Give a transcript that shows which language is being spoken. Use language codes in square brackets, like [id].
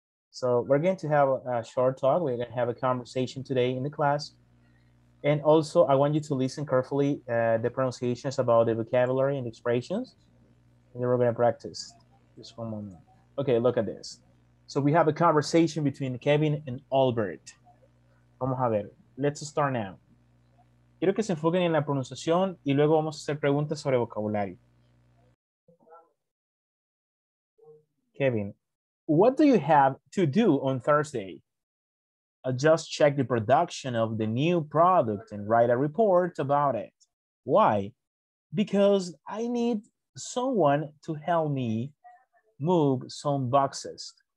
[en] So we're going to have a short talk. We're going to have a conversation today in the class. And also, I want you to listen carefully the pronunciations about the vocabulary and expressions. And then we're going to practice. Just one moment. Okay, look at this. So we have a conversation between Kevin and Albert. [es] Vamos a ver. [en] Let's start now. [es] Quiero que se enfoquen en la pronunciación y luego vamos a hacer preguntas sobre vocabulario. [en] Kevin, what do you have to do on Thursday? I just checked the production of the new product and write a report about it. Why? Because I need someone to help me move some boxes.